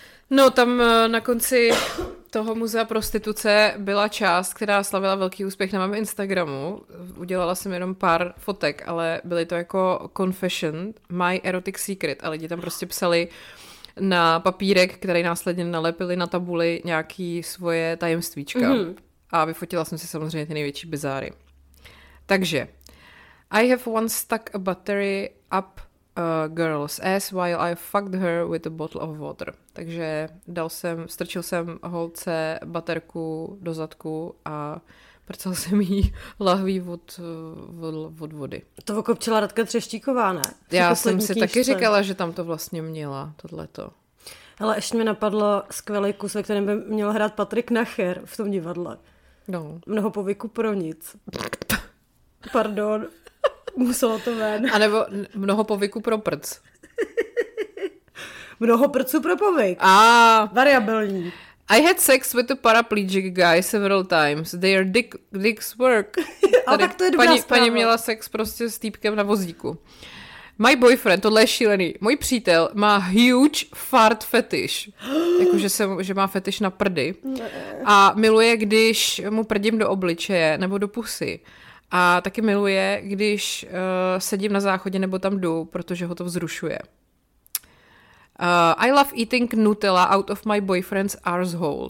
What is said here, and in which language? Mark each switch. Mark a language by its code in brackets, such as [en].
[cs] No, tam na konci toho muzea prostituce byla část, která slavila velký úspěch na mém Instagramu. Udělala jsem jenom pár fotek, ale byly to jako [en] confession, my erotic secret. [cs] A lidi tam prostě psali na papírek, který následně nalepili na tabuli nějaký svoje tajemstvíčka. Mm-hmm. A vyfotila jsem si samozřejmě ty největší bizáry. [en] Takže, I have once stuck a battery up a girl's ass while I fucked her with a bottle of water. [cs] Takže strčil jsem holce baterku do zadku a prcal jsem jí lahví od vody. To okopčila Radka Třeštíková, ne? Já jsem si taky říkala, že tam to vlastně měla, tohleto. Hele, ještě mi napadlo skvělý kus, ve kterém by měl hrát Patrik Nacher v tom divadle. No. Mnoho povyku pro nic. Pardon. Muselo to ven. A nebo mnoho povyku pro prc. Mnoho prců pro povyk. A variabilní. [en] I had sex with a paraplegic guy several times. Their dicks work. [cs] A tak to je dobrá zpráva. Pani měla sex prostě s týpkem na vozíku. [en] My boyfriend, [cs] tohle je šílený, můj přítel má [en] huge fart fetish. [cs] Jakože že má fetish na prdy. A miluje, když mu prdím do obličeje nebo do pusy. A taky miluje, když sedím na záchodě nebo tam jdu, protože ho to vzrušuje. [en] I love eating Nutella out of my boyfriend's arsehole.